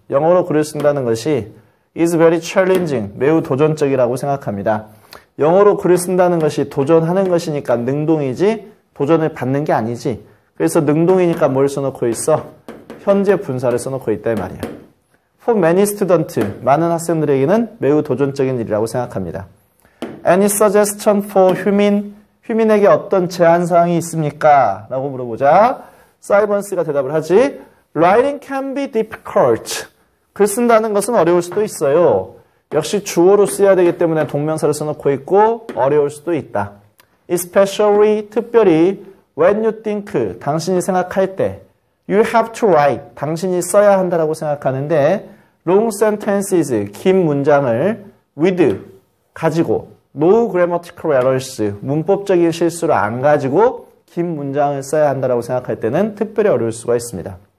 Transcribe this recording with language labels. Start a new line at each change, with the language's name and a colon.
Korean: 영어로 글을 쓴다는 것이
English: is very challenging,
Korean: 매우 도전적이라고 생각합니다. 영어로 글을 쓴다는 것이 도전하는 것이니까 능동이지 도전을 받는 게 아니지. 그래서 능동이니까 뭘 써놓고 있어? 현재 분사를 써놓고 있다 이 말이야.
English: For many students,
Korean: 많은 학생들에게는 매우 도전적인 일이라고 생각합니다.
English: Any suggestion for Humin?
Korean: 휴민에게 어떤 제안사항이 있습니까? 라고 물어보자 사이먼스가 대답을 하지
English: Writing can be difficult.
Korean: 글 쓴다는 것은 어려울 수도 있어요. 역시 주어로 써야 되기 때문에 동명사를 써놓고 있고 어려울 수도 있다.
English: Especially,
Korean: 특별히
English: When you think,
Korean: 당신이 생각할 때
English: You have to write,
Korean: 당신이 써야 한다고 생각하는데
English: Long sentences,
Korean: 긴 문장을
English: With,
Korean: 가지고
English: No grammatical errors,
Korean: 문법적인 실수를 안 가지고 긴 문장을 써야 한다고 생각할 때는 특별히 어려울 수가 있습니다.